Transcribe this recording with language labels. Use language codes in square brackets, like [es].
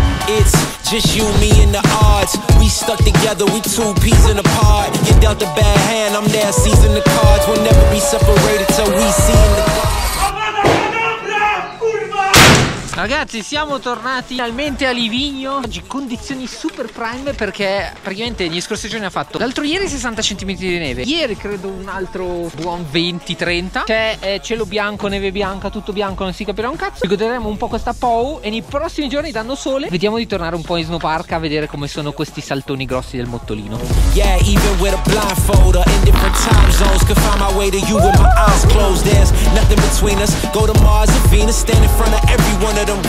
[en] It's just you, me, and the odds. We stuck together, we two peas in a pod. You dealt a bad hand, I'm there, season the cards. We'll never be separated till we see in the [it] Ragazzi, siamo tornati finalmente a Livigno. Oggi condizioni super prime, perché praticamente gli scorsi giorni ha fatto, l'altro ieri 60 cm di neve, ieri credo un altro buon 20-30. C'è cielo bianco, neve bianca, tutto bianco, non si capirà un cazzo. Ci goderemo un po' questa POU e nei prossimi giorni danno sole. Vediamo di tornare un po' in snowpark a vedere come sono questi saltoni grossi del Mottolino. [en] Yeah, even with a blindfold or in different time zones, could find my way to you with my eyes closed. There's nothing between us, go to Mars and Venus, stand in front of everyone.